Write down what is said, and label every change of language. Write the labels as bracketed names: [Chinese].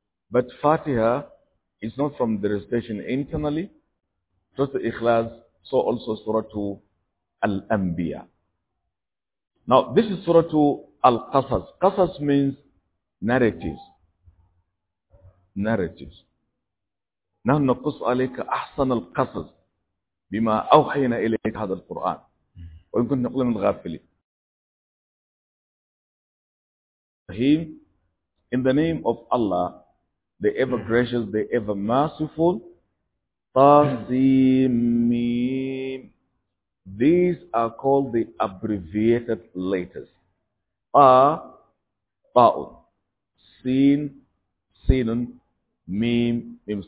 [English] But Fatiha is not from the recitation internally. Surah Al-Ikhlas. So also Surah Al-Anbiya. Now this is Surah Al-Qasas. Qasas means narratives. Narratives. [Arabic] نحن نقص عليك أحسن القصص بما أوحينا إليك هذا القرآن. وإن كنت نقول من الغافلين. [English] Rahim, in the name of Allah, the ever gracious, the ever merciful, Ta-zi-mim. These are called the abbreviated letters. Ta, ta'un. Sin, sinun. Mim, mim.